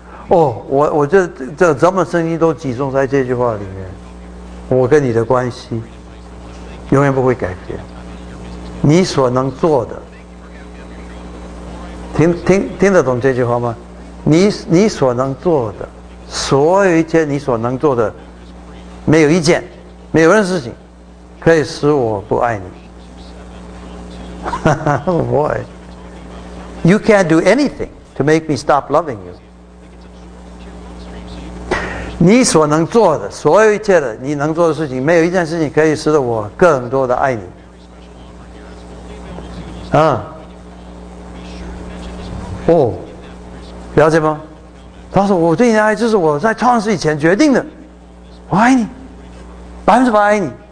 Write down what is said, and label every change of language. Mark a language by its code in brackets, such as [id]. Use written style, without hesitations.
[zh] 哦，我这整本圣经都集中在这句话里面，我跟你的关系永远不会改变，你所能做的，听得懂这句话吗？你所能做的，所有一切你所能做的，没有一件，没有任何事情可以使我不爱你。 [en] Boy, you can't do anything to make me stop loving you. [zh] 你所能做的，所有一切的你能做的事情，没有一件事情可以使得我更多的爱你。啊，哦，了解吗？他说：“我对你的爱，这是我在创世以前决定的。我爱你，100%爱你。